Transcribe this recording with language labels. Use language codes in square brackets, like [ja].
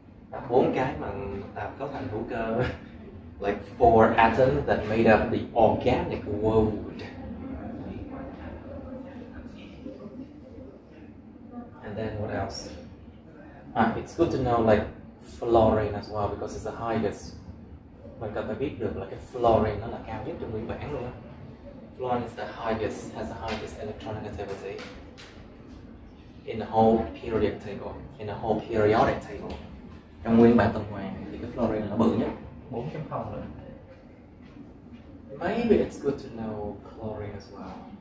[vi] Đó, bốn cái mà tạo cấu thành hữu cơ. [en] Like four atoms that made up the organic world. And then what else? It's good to know like fluorine as well because it's the highest. [vi] Mình cần phải biết được là cái fluorine nó là cao nhất trong nguyên bản luôn. [en] Fluorine is the highest, has the highest electronegativity in the whole periodic table, in the whole periodic table. [vi] Trong nguyên bản tuần hoàn thì cái fluorine là bự nhất, 4.0 rồi. [en] Maybe it's good to know chlorine as well.